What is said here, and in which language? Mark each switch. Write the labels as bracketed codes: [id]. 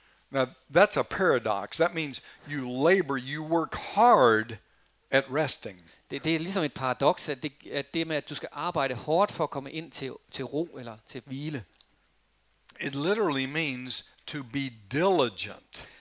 [en] Now that's a paradox. That means you labor, you work hard at resting. [da] Det er ligesom et paradoks, at det med at du skal arbejde hårdt for at komme ind til ro eller til hvile. [en] It literally means to be diligent.